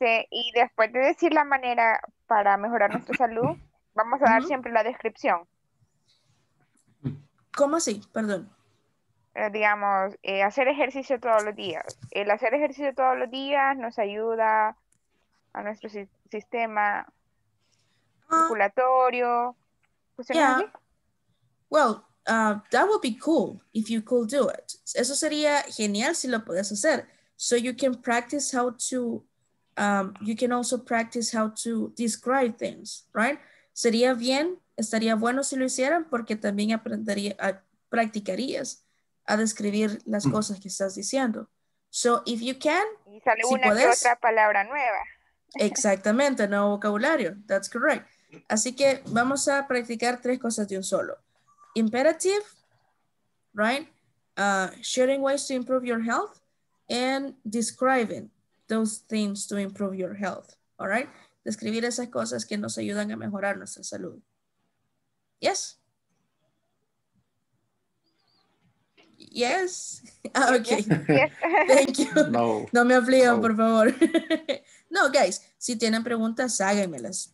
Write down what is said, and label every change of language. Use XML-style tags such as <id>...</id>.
<es>Y después de decir la manera para mejorar nuestra salud, vamos a dar siempre la descripción. ¿Cómo así? Perdón. Digamos, hacer ejercicio todos los días. El hacer ejercicio todos los días nos ayuda a nuestro sistema circulatorio.</es> <en>That would be cool if you could do it.</en> <es>Eso sería genial si lo puedes hacer.</es> <en>So you can practice how to, you can also practice how to describe things, right?</en> <es>Sería bien, estaría bueno si lo hicieran porque también aprendería, practicarías a describir las cosas que estás diciendo.</es> <en>So if you can,</en> <es>si puedes. Y sale una otra palabra nueva. Exactamente, nuevo vocabulario.</es> <en>That's correct.</en> <es>Así que vamos a practicar tres cosas de un solo.</es> <en>Imperative, right? Sharing ways to improve your health. And describing those things to improve your health. All right?</en> <es>Describir esas cosas que nos ayudan a mejorar nuestra salud.</es> <en>Yes? Yes? Okay. Yes. Thank you.</en> <es>No. No me aflijan, no. Por favor. No, guys. Si tienen preguntas, háganmelas.</es>